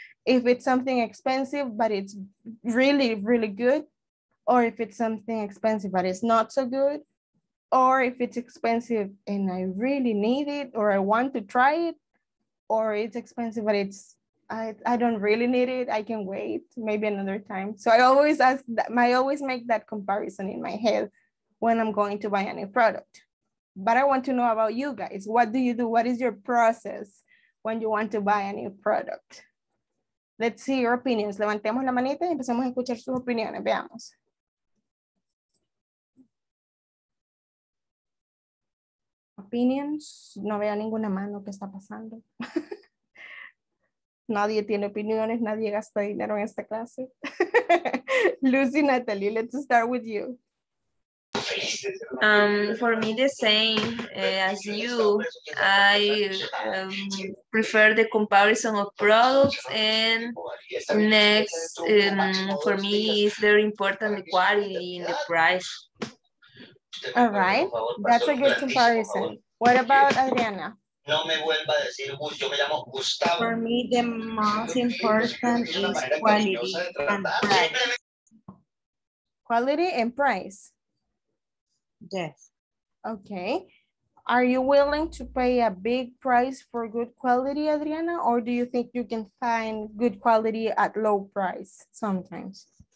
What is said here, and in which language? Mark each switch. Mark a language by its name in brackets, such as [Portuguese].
[English] If it's something expensive, but it's really, really good, or if it's something expensive, but it's not so good, or if it's expensive and I really need it, or I want to try it, or it's expensive, but it's I don't really need it. I can wait maybe another time. So I always ask that, I always make that comparison in my head when I'm going to buy a new product. But I want to know about you guys. What do you do? What is your process when you want to buy a new product? Let's see your opinions. [Spanish] Levantemos la manita y empecemos a escuchar sus opiniones. Veamos. Opinions. No veo ninguna mano. ¿Qué está pasando? Nadie tiene opiniones, nadie gasta dinero en esta clase. [English] Lucy, Natalie, let's start with you. For me, the same as you. I prefer the comparison of products, and next, for me, it's very important the quality and the price. All right, that's a good comparison. What about Adriana? [Spanish] No me vuelva a decir mucho, yo me llamo Gustavo. [English] For me, the most important is quality and price. Quality and price? Yes. Okay. Are you willing to pay a big price for good quality, Adriana? Or do you think you can find good quality at low price sometimes?